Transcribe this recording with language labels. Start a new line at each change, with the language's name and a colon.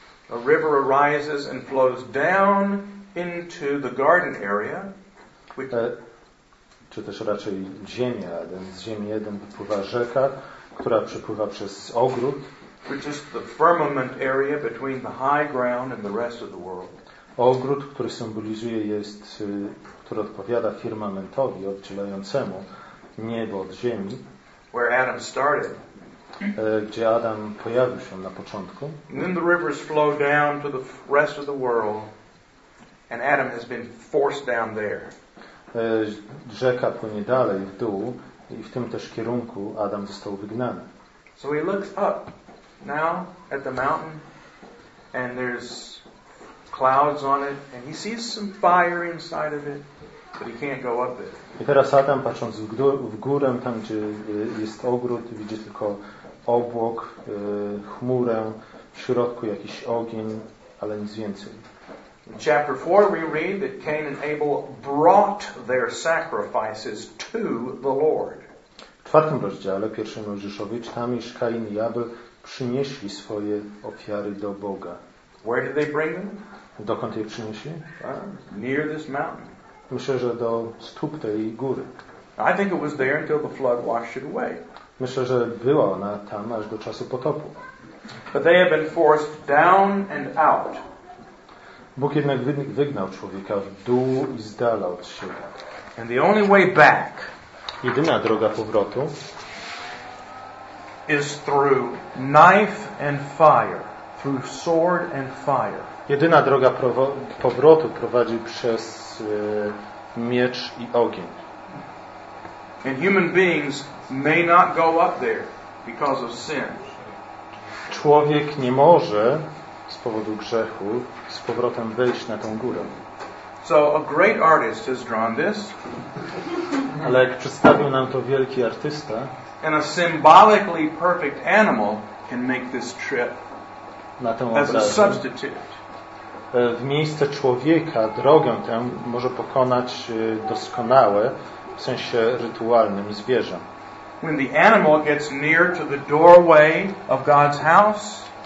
English: A river arises and flows down into the garden area.
Polish: Czy też raczej ziemia, z ziemi Eden wypływa rzeka, która przepływa przez ogród.
English: Which is the firmament area between the high ground and the rest of the world.
Polish: Ogród, który symbolizuje jest, który odpowiada firmamentowi oddzielającemu niebo od ziemi.
English: Where Adam started.
Polish: Gdzie Adam pojawił się na początku.
English: And then the rivers flow down to the rest of the world and Adam has been forced down there.
Polish: Rzeka płynie dalej w dół i w tym też kierunku Adam został wygnany.
English: So he looks up now at the mountain and there's clouds on it and he sees some fire inside of it, but he can't go up it.
Polish: I teraz Adam, patrząc w górę, tam gdzie jest ogród, widzi tylko obłok, chmurę, w środku jakiś ogień, ale nic więcej.
English: In chapter 4 we read that Cain and Abel brought their sacrifices to the Lord.
Polish: W czwartym rozdziale pierwszej Mojżeszowej czytamy, iż Kain i Abel przynieśli swoje ofiary do Boga.
English: Where did they bring them?
Polish: Dokąd je przyniesie?
English: Near this mountain.
Polish: Myślę, że do stóp tej góry.
English: I think it was there until the flood washed it away.
Polish: Myślę, że była ona tam aż do czasu potopu.
English: But they have been forced down and out.
Polish: Bóg jednak wygnał człowieka w dół i z dala od siebie.
English: And the only way back.
Polish: Jedyna droga powrotu.
English: Is through knife and fire, through sword and fire.
Polish: Jedyna droga powrotu prowadzi przez miecz i ogień.
English: And human beings may not go up there because of sin.
Polish: Człowiek nie może z powodu grzechu z powrotem wejść na tą górę.
English: So a great artist has drawn this.
Polish: Ale jak przedstawił nam to wielki artysta.
English: And a symbolically perfect animal can make this trip
Polish: na tą
English: as a substitute.
Polish: W miejsce człowieka drogę tę może pokonać doskonałe, w sensie rytualnym, zwierzę.
English: When the animal gets near to the doorway of God's house,